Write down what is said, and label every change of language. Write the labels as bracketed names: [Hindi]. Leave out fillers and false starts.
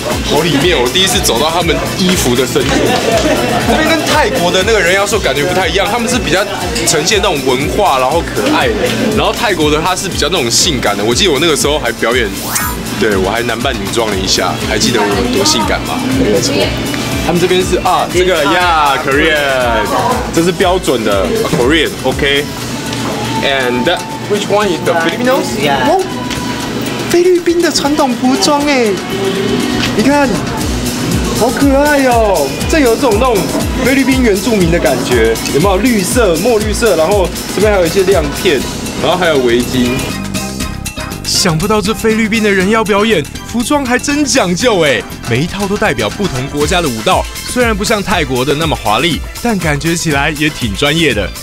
[Chinese] 我里面，我第一次走到他们衣服的深处，这边跟泰国的那个人妖秀感觉不太一样，他们是比较呈现那种文化，然后可爱的，然后泰国的他是比较那种性感的。我记得我那个时候还表演，对我还男扮女装了一下，还记得我多性感吗？没错。他们这边是啊，这个呀 ，Korean， 这是标准的 Korean，OK。 [English] And which one is the Filipinos？ Yeah。 [Chinese] 菲律宾的传统服装哎，你看，好可爱哦！这有种那种菲律宾原住民的感觉，有没有绿色、墨绿色？然后这边还有一些亮片，然后还有围巾。想不到这菲律宾的人妖表演服装还真讲究哎，每一套都代表不同国家的舞蹈，虽然不像泰国的那么华丽，但感觉起来也挺专业的。